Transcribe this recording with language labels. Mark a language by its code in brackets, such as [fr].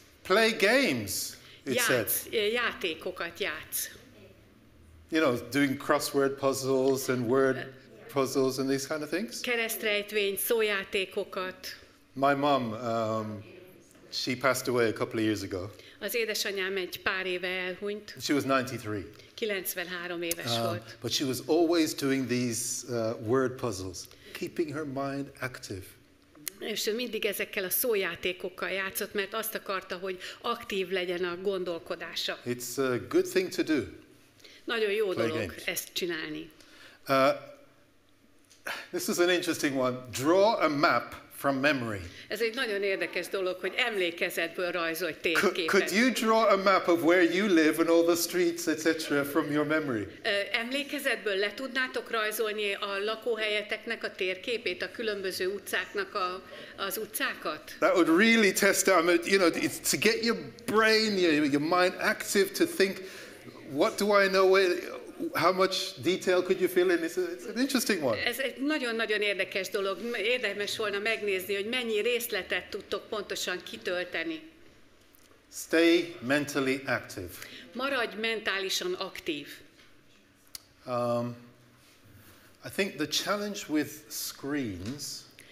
[en] Play games. [hu] Játékokat játsz. [en] You know, doing crossword puzzles and word puzzles and these kind of things. [hu] Keresztrejtvény, szójátékokat. [en] My mom, she passed away a couple of years ago. [hu] Az édesanyám egy pár éve elhunyt. [en] She was 93. [hu] 93 éves volt. [en] But she was always doing these word puzzles, keeping her mind active. [hu] És ő mindig ezekkel a szójátékokkal játszott, mert azt akarta, hogy aktív legyen a gondolkodása. [en] It's a good thing to do. [hu] Nagyon jó dolog [en] games. [hu] Ezt csinálni. [en] This is an interesting one. Draw a map from memory. [hu] Ez egy nagyon érdekes dolog, hogy emlékezetből rajzolj térképet. [en] Could you draw a map of where you live and all the streets, etc. from your memory? [hu] Emlékezetből le tudnátok rajzolni a lakóhelyeteknek a térképét, a különböző utcáknak az utcákat? [en] That would really test out, you know, it's to get your brain, your mind active to think, what do I know where? How much detail could you fill in? It's an interesting one. [hu] Ez egy nagyon-nagyon érdekes dolog. Érdemes volna megnézni, hogy mennyi részletet tudtok pontosan kitölteni. [en] Stay mentally active. [hu] Maradj mentálisan aktív. [en] I think the challenge with screens.